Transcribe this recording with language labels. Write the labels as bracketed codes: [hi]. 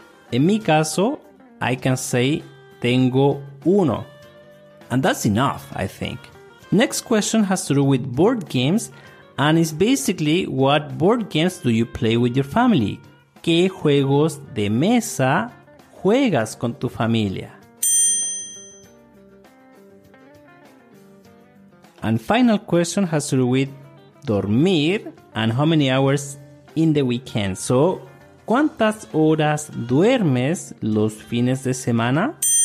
[es] En mi caso, [en] I can say [es] tengo uno. [en] And that's enough, I think. Next question has to do with board games. And it's basically what board games do you play with your family? [es] ¿Qué juegos de mesa juegas con tu familia? [en] And final question has to do with dormir and how many hours in the weekend. [es] So, ¿cuántas horas duermes los fines de semana?